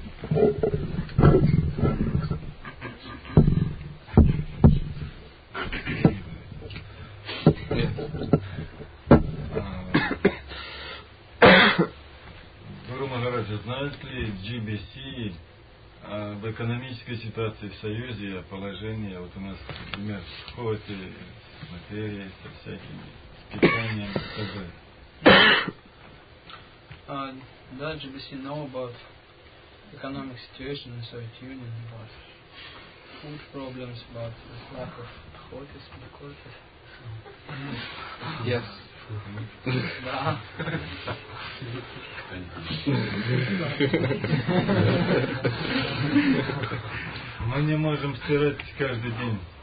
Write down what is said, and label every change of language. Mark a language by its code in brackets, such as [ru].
[ru] Гуру Махарадж, знает ли GBC об экономической ситуации в Союзе, о положении, вот у нас, например, в Хоте, с материей, со всякими, с питанием, и так далее? [en] Does GBC know about economic situation in the Soviet Union, about food problems, about the lack of hotels and quarters? Yes. [ru] Мы не можем стирать каждый день.